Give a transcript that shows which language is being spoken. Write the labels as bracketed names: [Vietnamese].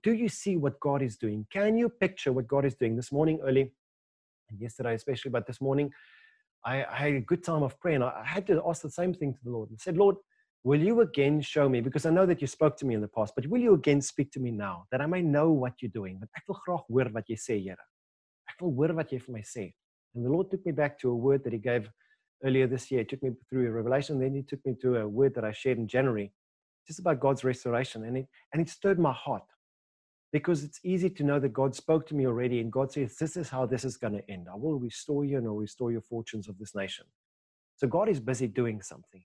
[English] Do you see what God is doing? Can you picture what God is doing? This morning early, and yesterday especially, but this morning, I had a good time of prayer, and I had to ask the same thing to the Lord. I said, Lord, will you again show me, because I know that you spoke to me in the past, but will you again speak to me now, that I may know what you're doing? [Afrikaans] Ek wil graag hoor wat jy sê, Here. Ek wil hoor wat jy vir my sê. [English] And the Lord took me back to a word that he gave earlier this year. He took me through a revelation, then he took me to a word that I shared in January, just about God's restoration, and it stirred my heart, because it's easy to know that God spoke to me already, and God says, this is how this is going to end. I will restore you, and I'll restore your fortunes of this nation. So God is busy doing something.